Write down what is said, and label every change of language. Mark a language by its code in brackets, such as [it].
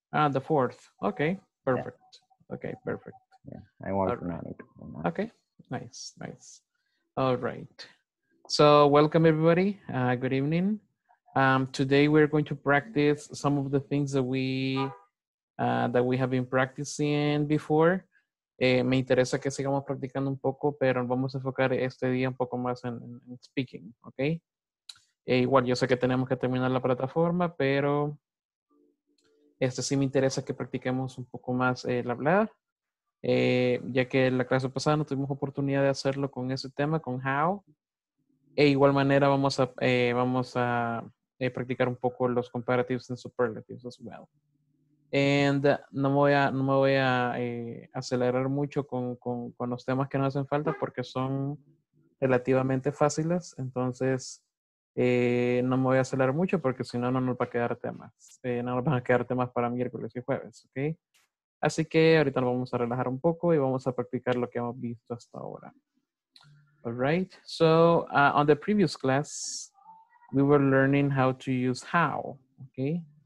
[en] The fourth. Okay, perfect. Yeah. Okay, perfect. Yeah, I want to run it. Okay, nice. All right. So welcome everybody. Good evening. Today we're going to practice some of the things that we have been practicing before. [es] Me interesa que sigamos practicando un poco, pero vamos a enfocar este día un poco más en speaking, okay? Igual yo sé que tenemos que terminar la plataforma, pero sí me interesa que practiquemos un poco más el hablar, ya que la clase pasada no tuvimos oportunidad de hacerlo con ese tema, con how. E igual manera vamos a practicar un poco los [en] comparatives and superlatives as well. [es] And no me voy a acelerar mucho con los temas que nos hacen falta porque son relativamente fáciles. Entonces, no me voy a acelerar mucho porque si no, no nos va a quedar temas. No nos van a quedar temas para miércoles y jueves, ¿ok? Así que ahorita nos vamos a relajar un poco y vamos a practicar lo que hemos visto hasta ahora. [en] All right. So, on the previous class, we were learning how to use how, okay?